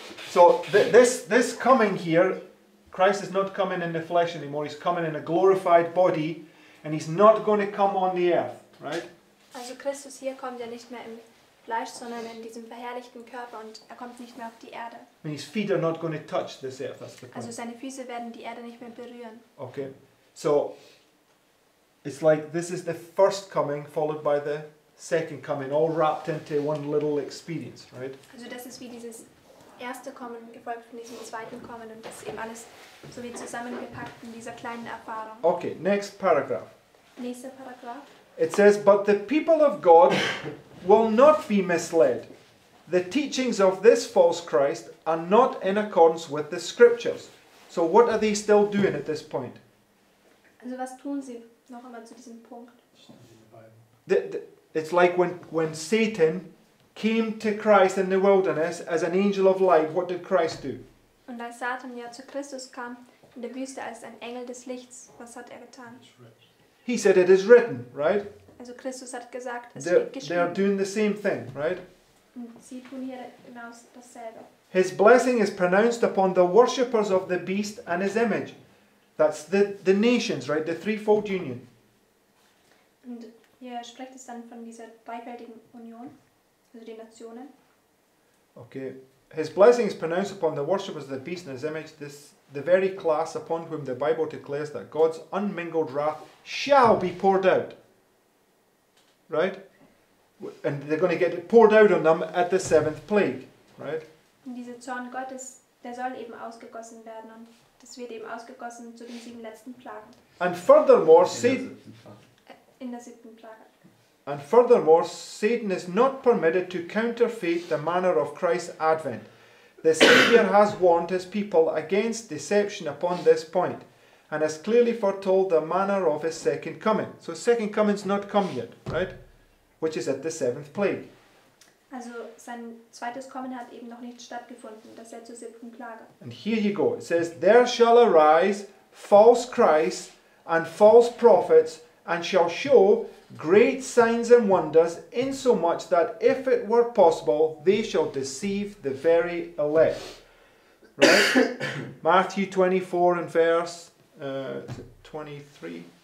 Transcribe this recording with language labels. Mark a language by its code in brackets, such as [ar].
[en] So this coming here, Christ is not coming in the flesh anymore. He's coming in a glorified body, and he's not going to come on the earth, right? [de] Also Christus hier kommt ja nicht mehr im Fleisch, sondern in diesem verherrlichten Körper, und er kommt nicht mehr auf die Erde. [en] And his feet are not going to touch this earth. That's the point. [de] Also seine Füße werden die Erde nicht mehr berühren. [en] Okay, so it's like this is the first coming followed by the second coming, all wrapped into one little experience, right? [de] Also das ist wie dieses erste Kommen gefolgt von diesem zweiten Kommen, und das ist eben alles so wie zusammengepackt in dieser kleinen Erfahrung. [en] Okay, next paragraph. [de] Nächster Paragraph. [en] It says, but the people of God will not be misled. The teachings of this false Christ are not in accordance with the scriptures. So what are they still doing at this point? [de] Also was tun sie noch einmal zu diesem Punkt? [en] It's like when Satan came to Christ in the wilderness as an angel of light, what did Christ do? [de] Und als Satan ja zu Christus kam in der Wüste als ein Engel des Lichts, was hat er getan? [en] He said it is written, right? [de] Also Christus hat gesagt, es steht geschrieben. [en] They are doing the same thing, right? [de] Und sie tun hier genau dasselbe. [en] His blessing is pronounced upon the worshippers of the beast and his image. That's the nations, right? The threefold union. [de] Und hier spricht es dann von dieser dreifältigen Union. [en] Okay. His blessing is pronounced upon the worshippers of the beast in his image, this the very class upon whom the Bible declares that God's unmingled wrath shall be poured out. Right? And they're going to get it poured out on them at the seventh plague. Right? [de] Und dieser Zorn Gottes, der soll eben ausgegossen werden, und das wird eben ausgegossen zu den sieben letzten Plagen. [en] And furthermore, Satan... [de] In der siebten Plage. [en] And furthermore, Satan is not permitted to counterfeit the manner of Christ's advent. The Savior has warned his people against deception upon this point, and has clearly foretold the manner of his second coming. So second coming's not come yet, right? Which is at the seventh plague. [de] Also sein zweites Kommen hat eben noch nicht stattgefunden, das ist zur siebten Plage. [en] And here you go. It says, there shall arise false Christs and false prophets, and shall show great signs and wonders, insomuch that if it were possible, they shall deceive the very elect. Right? Matthew 24 and verse 24.